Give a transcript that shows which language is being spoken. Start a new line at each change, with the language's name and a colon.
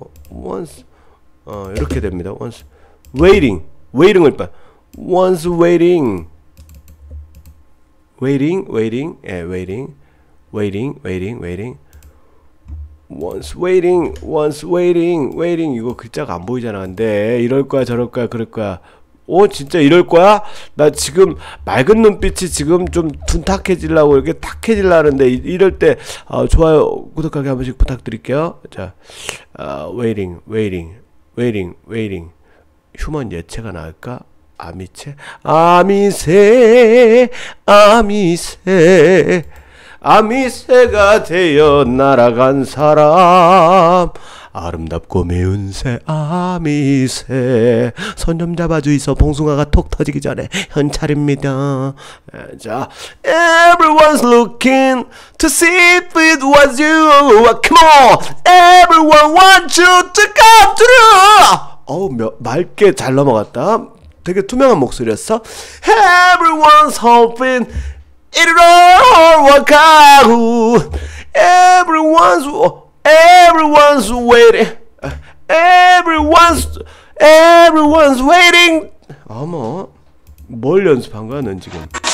Korean: Once, 이렇게 됩니다.
English: Once waiting, waiting을 빨. Once waiting, waiting, waiting, 예, waiting, waiting, waiting, waiting. Once waiting, once waiting, waiting.
Korean: 이거 글자가 안 보이잖아. 근데 이럴 거야, 저럴 거야, 그럴 거야. 오, 진짜 이럴 거야? 나 지금 맑은 눈빛이 지금 좀 둔탁해지려고 이렇게 탁해지려고 하는데 이럴 때 좋아요, 구독하기 한 번씩 부탁드릴게요.
English: 자, waiting, waiting, waiting, waiting.
Korean: 휴먼 예체가 나을까? 아미체? 아미세, 아미세. 아미세가 되어 날아간 사람. 아름답고 매운 새 아미새. 손 좀 잡아주이소. 봉숭아가 톡 터지기 전에 현찰입니다.
English: 자, everyone's looking to see if it was you. Come on, everyone wants you to come through.
Korean: 어우, 맑게 잘 넘어갔다. 되게 투명한 목소리였어.
English: Everyone's hoping it'll all work out. Everyone's Everyone's waiting. Everyone's waiting.
Korean: 어머, 뭘 연습한 거야, 넌 지금?